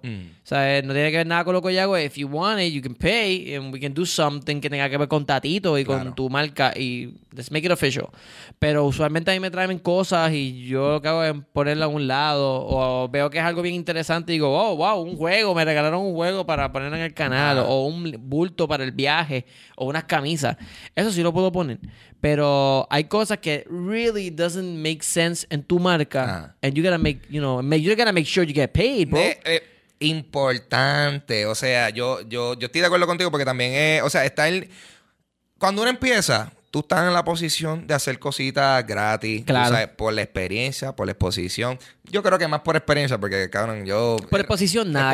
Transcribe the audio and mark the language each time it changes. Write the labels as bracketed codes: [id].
[es] O sea, no tiene que ver nada con lo que yo hago. [en] If you want it, you can pay, and we can do something [es] que tenga que ver con Tatito y claro, con tu marca, y [en] let's make it official. [es] Pero usualmente a mí me traen cosas y yo lo que hago es ponerla a un lado, o veo que es algo bien interesante y digo, oh, wow, un juego, me regalaron un juego para poner en el canal, o un bulto para el viaje, o unas camisas. Eso sí lo puedo poner. Pero hay cosas que [en] really doesn't make sense [es] en tu marca, [en] and you gotta make sure you get paid, bro. [es] Importante, o sea, yo estoy de acuerdo contigo porque también es, o sea, cuando uno empieza, tú estás en la posición de hacer cositas gratis, claro, tú sabes, por la experiencia, por la exposición. Yo creo que más por experiencia, porque cabrón, yo por exposición nada.